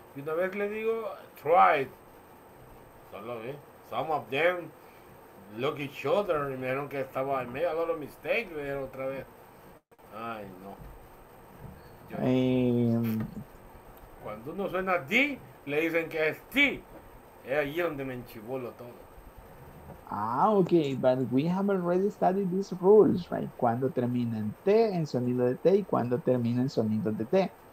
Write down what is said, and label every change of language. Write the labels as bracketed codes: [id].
[es] Y una vez le digo, tried. Solo, eh? [en] Some of them look each other [es] y me dijeron que estaba en medio, [en] a lot of mistakes, [es] me dijeron otra vez. Ay, no. Cuando uno suena D, le dicen que es T. Es ahí donde me enchivolo todo. [en] Ah, okay, but we have already studied these rules, right? [es] Cuando termina en T, en sonido de T, y cuando termina en sonido de T.